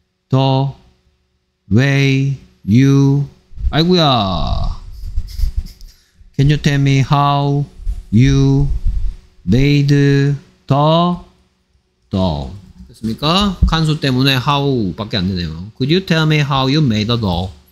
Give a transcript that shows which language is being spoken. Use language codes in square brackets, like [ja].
[en] The way you [ko] 아이구야 [en] Can you tell me how you made the doll? [ko] 그러니까 칸수 때문에 how밖에 안 되네요. [en] Could you tell me how you made a doll?